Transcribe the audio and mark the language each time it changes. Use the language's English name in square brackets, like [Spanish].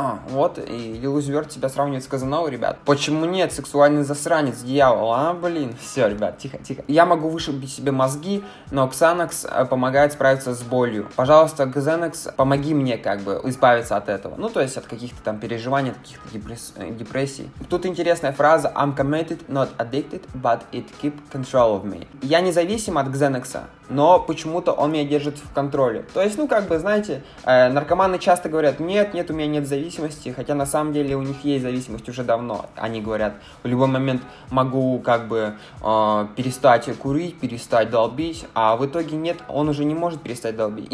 [Russian] Вот, и Lil Uzi Vert себя сравнивает с Казановой, ребят. Почему нет? Сексуальный засранец, дьявол. А, блин. Все, ребят, тихо. Я могу вышибить себе мозги, но Xanax помогает справиться с болью. Пожалуйста, Xanax, помоги мне, как бы, избавиться от этого. Ну, то есть от каких-то там переживаний, от каких-то депрессий. Тут интересная фраза: [English] I'm committed, not addicted, but it keep control of me. [Russian] Я независим от Xanax'а, но почему-то он меня держит в контроле. То есть, ну, как бы, знаете, наркоманы часто говорят: нет, нет, у меня нет зависимости, хотя на самом деле у них есть зависимость уже давно. Они говорят: в любой момент могу, как бы, перестать курить, перестать долбить, а в итоге нет, он уже не может перестать долбить.